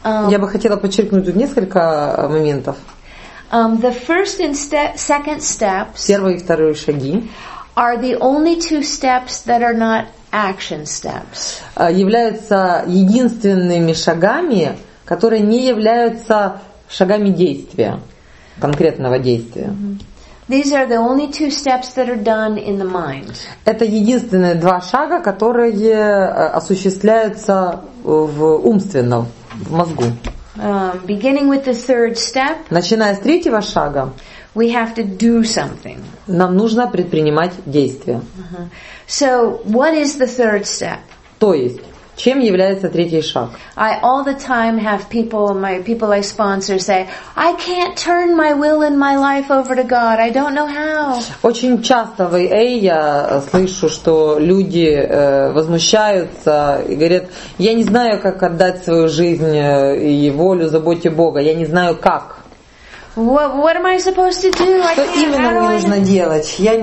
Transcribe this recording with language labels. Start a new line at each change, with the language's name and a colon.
Russian: Я бы хотела подчеркнуть тут несколько моментов.
English: The first and second steps.
Russian: Первые и вторые шаги.
English: Are the only two steps that are not action steps.
Russian: Являются единственными шагами, которые не являются шагами действия, конкретного действия.
English: These are the only two steps that are done in the mind.
Russian: Это единственные два шага, которые осуществляются в умственном, в мозгу.
English: Beginning with the third step.
Russian: Начиная с третьего шага.
English: We have to do something.
Russian: Нам нужно предпринимать действия.
English: So, what is the third step?
Russian: То есть, чем является третий шаг?
English: I all the time have people I sponsor say, I can't turn my will and my life over to God. I don't know how.
Russian: Очень часто в AA я слышу, что люди возмущаются и говорят, я не знаю, как отдать свою жизнь и волю заботе Бога. Я не знаю, как.
English: What am I supposed to do?
Russian: Что именно мне нужно делать?